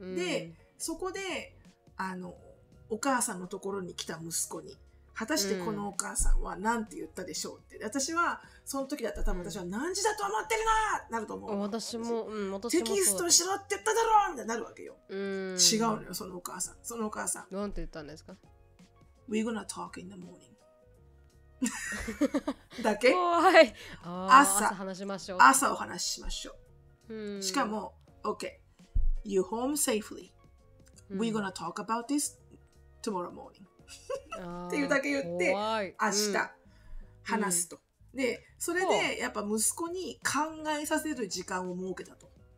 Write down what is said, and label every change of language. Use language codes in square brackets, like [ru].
[ja] で、うん、そこであのお母さんのところに来た息子に果たしてこのお母さんは何て言ったでしょうって、うん、私はその時だったら多分私は何時だと思ってるなーなると思う、私も、うん、私もそう、テキストしろって言っただろうってなるわけよ、うん、違うのよそのお母さん、そのお母さん何て言ったんですか、 [en] We're gonna talk in the morning [ja] だけ、怖い、あ朝話しましょう、朝お話ししましょう、うん、しかも [en] OK You home safely、 [ja] うん、 [en] We're gonna talk about this tomorrow morning [ja] っていうだけ言って明日話すと、うん、でそれでやっぱ息子に考えさせる時間を設けたと、